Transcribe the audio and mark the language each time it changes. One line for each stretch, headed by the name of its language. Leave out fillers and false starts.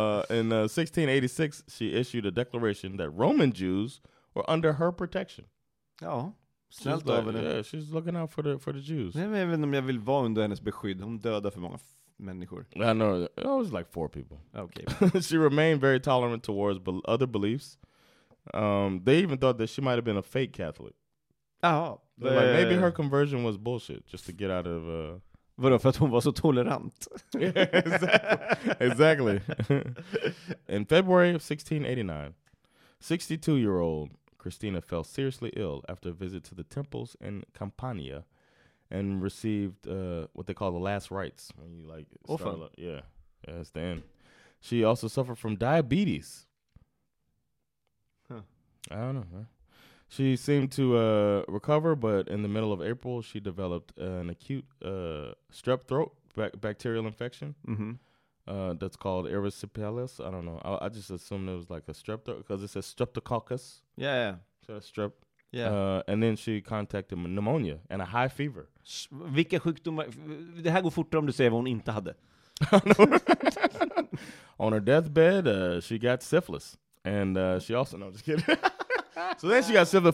English: In 1686, she issued a declaration that Roman Jews were under her protection. Oh, she's like, yeah, she's looking out for the Jews.
Swedish: Även om jag vill vara under hennes beskydd, hon dödade för många människor.
English: I know, it was like four people. Okay. She remained very tolerant towards other beliefs. They even thought that she might have been a fake Catholic. Oh, like maybe her conversion was bullshit just to get out of.
Swedish: Vadå, för att hon var så tolerant?
English: Exactly. In February of 1689, 62-year-old Christina fell seriously ill after a visit to the temples in Campania, and received what they call the last rites. When you like, that's the end. She also suffered from diabetes. Huh. I don't know. She seemed to recover, but in the middle of April, she developed an acute strep throat bacterial infection. Mm-hmm. That's called erysipelas. I don't know. I just assumed it was like a strep throat because it says streptococcus. Yeah, yeah. So a strep. Yeah. And then she contacted pneumonia and a high fever.
Swedish: Vilka sjukdomar? Det här går fortare om du säger vad hon inte hade.
English: On her deathbed, she got syphilis. And she also, no, just kidding. So then she got syphilis.